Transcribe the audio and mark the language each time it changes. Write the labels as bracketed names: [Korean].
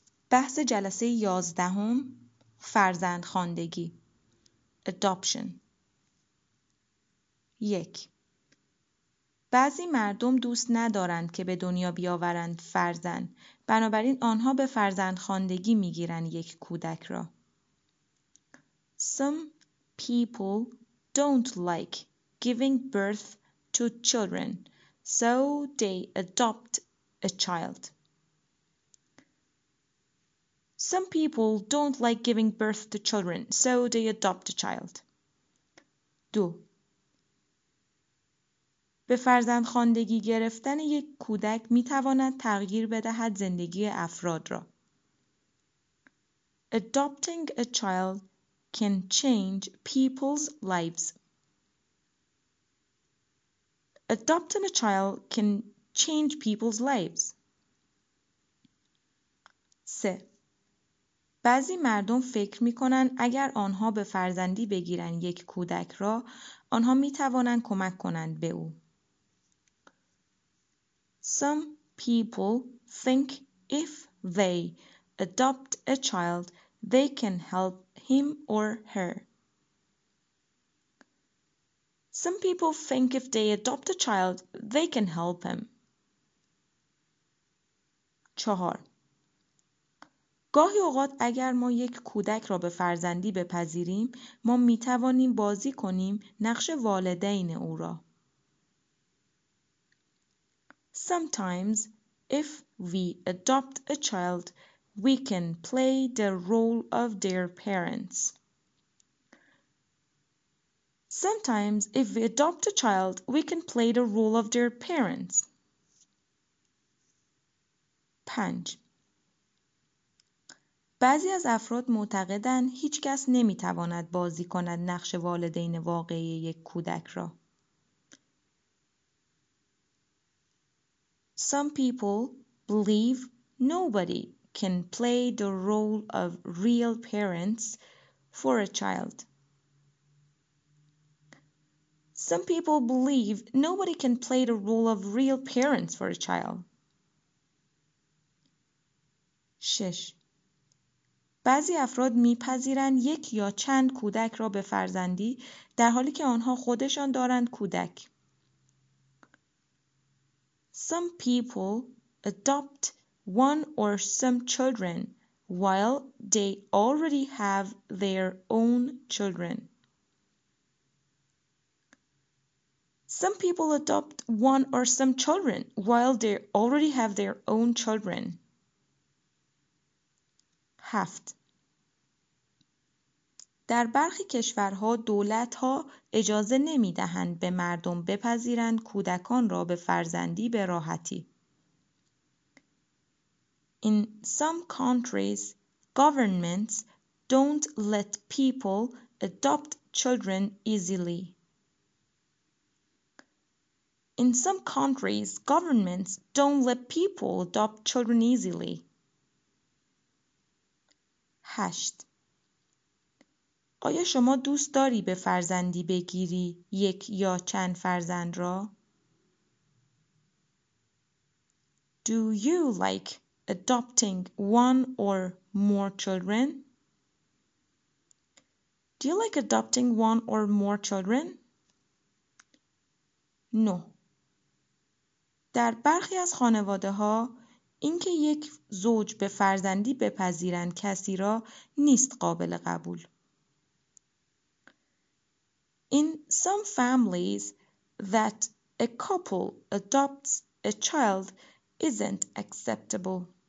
[Persian] بحث جلسه 11 فرزند خواندگی Adoption 1. بعضی مردم دوست ندارند که به دنیا بیاورند فرزند، بنابراین آنها به فرزند خواندگی می‌گیرند یک کودک را. [English] Some people don't like giving birth to children, so they adopt a child. Some people don't like giving birth to children, so they adopt a child. 2. [Persian] به فرزند خواندگی گرفتن یک کودک می تواند تغییر بدهد زندگی افراد را. [English] Adopting a child can change people's lives. Adopting a child can change people's lives. 3. [Persian] بعضی مردم فکر می‌کنند اگر آنها به فرزندی بگیرند یک کودک را، آنها می‌توانند کمک کنند به او. [English] Some people think if they adopt a child, they can help him or her. Some people think if they adopt a child, they can help him. 4. [Persian] گاهی اوقات اگر ما یک کودک را به فرزندی بپذیریم، ما می توانیم بازی کنیم نقش والدین او را. [English] Sometimes, if we adopt a child, we can play the role of their parents. Sometimes, if we adopt a child, we can play the role of their parents. 5. [Persian] بعضی از افراد معتقدند هیچ کس نمیتواند بازی کند نقش والدین واقعی یک کودک را. [English] Some people believe nobody can play the role of real parents for a child. Some people believe nobody can play the role of real parents for a child. 6. [Persian] بعضی افراد میپذیرند یک یا چند کودک را به فرزندی در حالی که آنها خودشان دارند کودک. [English] Some people adopt one or some children while they already have their own children. Some people adopt one or some children while they already have their own children. 7. [Persian] در برخی کشورها دولت‌ها اجازه نمی‌دهند به مردم بپذیرند کودکان را به فرزندی به راحتی. [English] In some countries, governments don't let people adopt children easily. In some countries, governments don't let people adopt children easily. 8. [Persian] آیا شما دوست داری به فرزندی بگیری یک یا چند فرزند را؟ [English] Do you like adopting one or more children? Do you like adopting one or more children? No. [Persian] در برخی از خانواده ها اینکه یک زوج به فرزندی بپذیرند کسی را نیست قابل قبول. [English] In some families, that a couple adopts a child isn't acceptable.